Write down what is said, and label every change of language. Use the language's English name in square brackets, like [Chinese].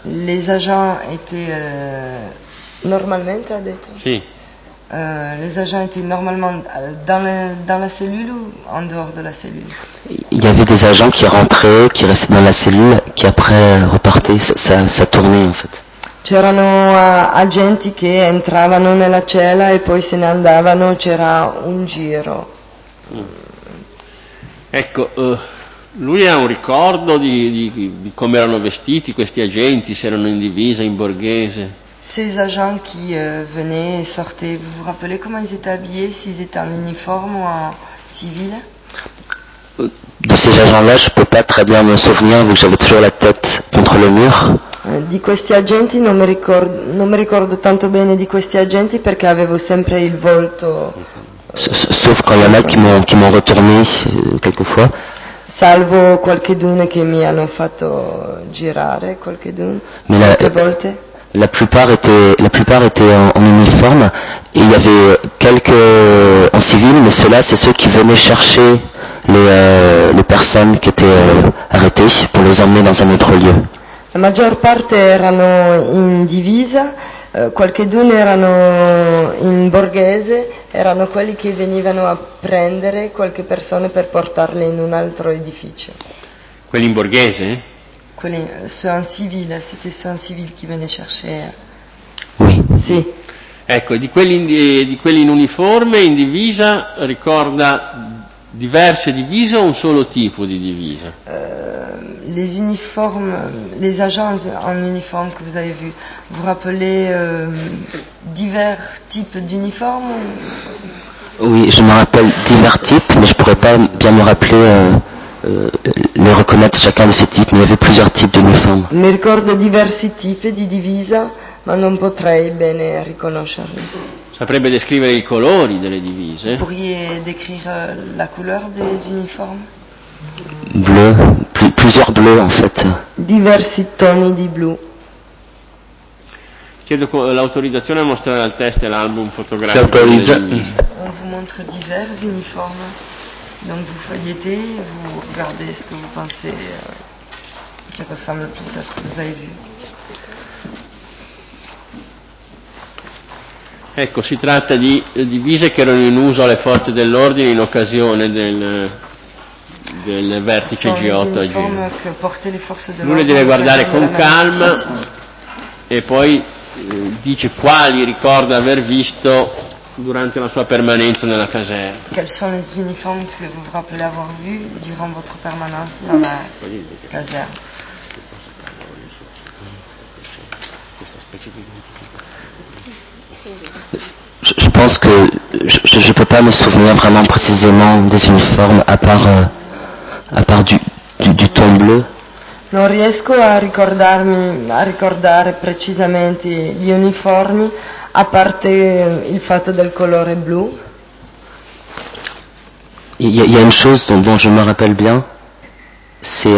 [French] Les agents étaient [Italian] normalmente, ha detto? Sì. [French] Les agents étaient normalement dans la cellule ou en dehors de la cellule? Il y avait des agents qui rentraient, qui restaient dans la cellule, qui après repartaient, ça tournait en fait. [Italian] C'erano agenti che entravano nella cella e poi se ne andavano, c'era un giro. Ecco, lui ha un ricordo di come erano vestiti questi agenti, se erano in divisa, in borghese? [French] Ces agents qui venaient et sortaient, vous vous rappelez comment ils étaient habillés, s'ils étaient en uniforme ou en civil? De ces agents-là, je ne peux pas très bien me souvenir, vu que j'avais toujours la tête contre le mur. [Italian] Di questi agenti non mi ricordo tanto bene di questi agenti, perché avevo sempre il volto. [French] Sauf quand il y en a qui m'ont retourné quelquefois. [Italian] Salvo qualche dune che mi hanno fatto girare, qualche dune, qualche volte. [French] La plupart étaient en uniforme, et il y avait quelques en civil, mais ceux-là, c'est ceux qui venaient chercher les personnes qui étaient arrêtées pour les emmener dans un autre lieu. [Italian] La maggior parte erano in divisa, qualcheduno erano in borghese, erano quelli che venivano a prendere qualche persona per portarle in un altro edificio. Quelli in borghese? Quelli, [French] ceux en civil, c'était ceux en civil qui venaient chercher. Oui. [Italian] Sì. Ecco, di quelli in uniforme, in divisa, ricorda diverse divise o un solo tipo di divisa? [French] Les uniformes, les agents en uniforme que vous avez vu, vous rappelez divers types d'uniformes? Oui, je me rappelle divers types, mais je pourrais pas bien me rappeler. Les reconnaître chacun de ces types, mais il y avait plusieurs types d'uniformes. [Italian] Mi ricordo diversi tipi di divisa, ma non potrei bene riconoscerli. Saprebbe descrivere i colori delle divise? [French] Pourriez décrire la couleur des uniformes? Bleu, plusieurs bleus en fait. [Italian] Diversi toni di blu. Chiedo l'autorizzazione a mostrare al test e l'album fotografico. [French] On vous montre divers uniformes. Donc vous feuilletez, vous regardez ce que vous pensez qui ressemble plus à ce que vous avez vu. [Italian] Ecco, si tratta di divise che erano in uso alle forze dell'ordine in occasione del vertice G8 a Genova. Che porte le forze dell'ordine. Lui le deve guardare con calma e poi dice quali ricorda aver visto durante la sua permanenza nella caserma. [French] Quels sont les uniformes que vous vous rappelez avoir vu durant votre permanence dans la caserne? Je pense que je peux pas me souvenir vraiment précisément des uniformes à part du ton bleu. [Italian] Non riesco a ricordare precisamente gli uniformi, a parte il fatto del colore blu. [French] Il y a une chose dont je me rappelle bien, c'est